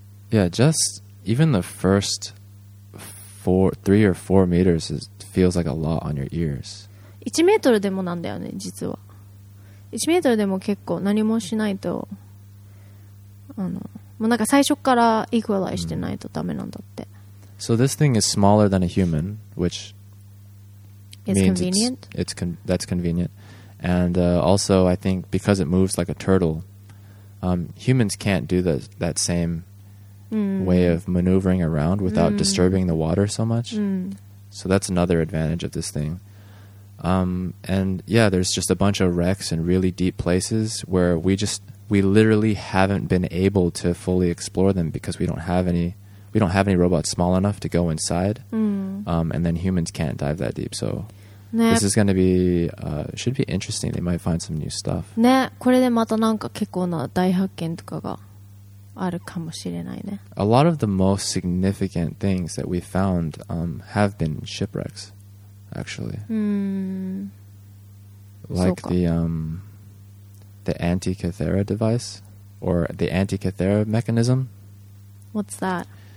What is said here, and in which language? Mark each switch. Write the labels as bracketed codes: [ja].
[en] Yeah, just even the first three or four meters is feels like a lot on your ears. [ja] 1メートルでもなんだよね、実は。1メートルでも結構何もしないと、あの、もうなんか最初からイクアライしてないとダメなんだって。 [en] So this thing is smaller than a human, which is convenient. That's convenient. And also, I think because it moves like a turtle, humans can't do that same way of maneuvering around without disturbing the water so much. So that's another advantage of this thing. And yeah, there's just a bunch of wrecks in really deep places where we literally haven't been able to fully explore them because we don't have any robots small enough to go inside. And then humans can't dive that deep. So 네. This is going to be, should be interesting. They might find some new stuff. [ja] 네, これでまたなんか結構な大発見とかがあるかもしれないね。 [en] A lot of the most significant things that we found, have been shipwrecks, actually. Like the Antikythera device or the Antikythera mechanism. What's that?